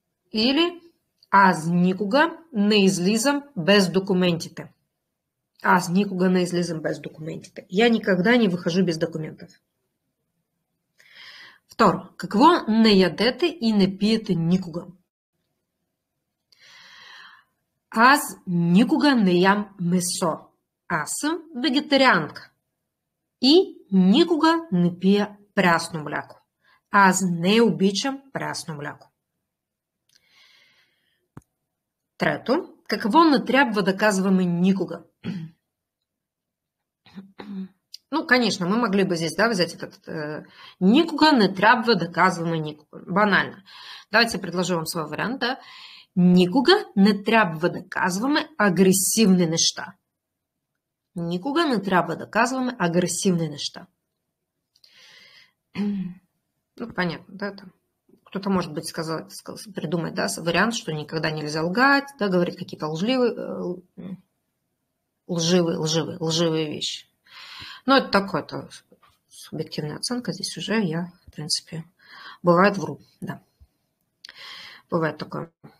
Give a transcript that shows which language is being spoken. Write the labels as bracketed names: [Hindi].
[Bulgarian] Или аз никога не излизам без документите. Аз никога не излизам без документите. Я никогда не выхожу без документов. Второ. Какво не ядете и не пиете никога? Аз никога не ям месо. Аз съм вегетарианка. И никога не пия прясно мляко. Аз не обичам прясно мляко. Трето, какво не трябва да казваме никога? [Russian] Ну, конечно, мы могли бы здесь, да, взять этот [Bulgarian] никога не трябва да казваме никога. [Russian] Банально. Давайте предложу вам свой вариант, да. [Bulgarian] Никога не трябва да казваме агресивни неща. Никога не трябва да казваме агресивни неща. [Russian] Ну, понятно, да, там. Кто-то, может быть, сказал, придумать, да, вариант, что никогда нельзя лгать, да, говорить какие-то лживые вещи. Ну, это такое-то субъективная оценка. Здесь уже я, в принципе, бывает вру, да. Бывает такое.